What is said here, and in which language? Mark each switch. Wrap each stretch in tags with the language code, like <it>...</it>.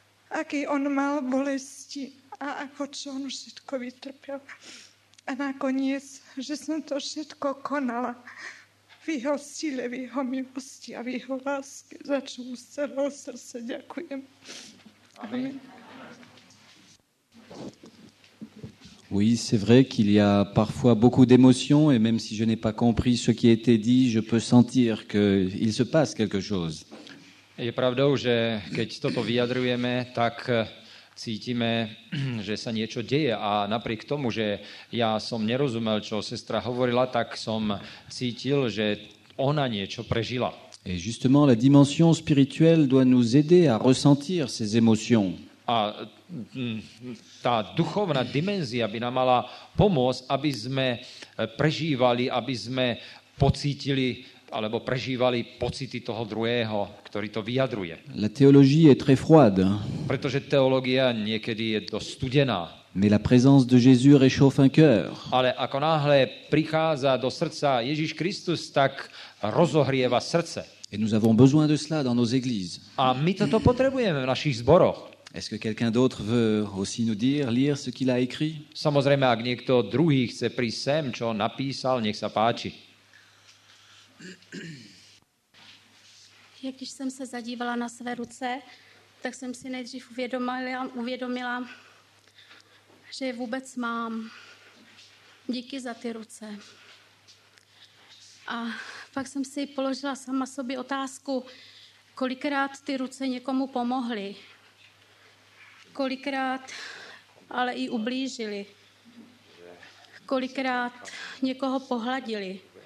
<sk>Aký on mal bolesti a ako čo on všetko vytrpel. A nakoniec, že som to všetko konala v jeho sile, v jeho milosti a v jeho láske, za čo mu z celého srdca ďakujem. Amen.</sk> <fr>Oui, c'est vrai qu'il y a parfois beaucoup d'émotions et même si je n'ai pas compris ce qui a été dit, je peux sentir qu'il se passe quelque chose.</fr> <sk>Je pravdou, že keď toto vyjadrujeme, tak cítime, že sa niečo deje. A napriek tomu, že ja som nerozumel, čo sestra hovorila, tak som cítil, že ona niečo prežila.</sk> <fr>Et justement, la dimension spirituelle doit nous aider à ressentir ces émotions.</fr> <sk>A ta duchovná dimenzia by nám mala pomôcť, aby sme prežívali, aby sme pocítili alebo prežívali pocity toho druhého, ktorý to vyjadruje.</sk> <fr>La théologie est très froide.</fr> <sk>Pretože teológia niekedy je dosť studená.</sk> <fr>Mais la présence de Jésus réchauffe un cœur.</fr> <sk>Ale ako náhle prichádza do srdca Ježiš Kristus, tak rozohrieva srdce.</sk> <fr>Et nous avons besoin de cela dans nos églises.</fr> <sk>A my toto potrebujeme v našich zboroch.</sk> <fr>Est-ce que quelqu'un d'autre veut aussi nous dire, lire ce qu'il a écrit?</fr> <sk>Samozrejme, ak niekto druhý chce prísť sem, čo napísal, nech sa páči.</sk> <cs>Ja, když jsem se zadívala na své ruce, tak jsem si nejdřív uvědomila, že je vůbec mám. Díky za ty ruce. A pak jsem si položila sama sobě otázku, kolikrát ty ruce někomu pomohly, kolikrát ale i ublížili, kolikrát někoho pohladili.</cs>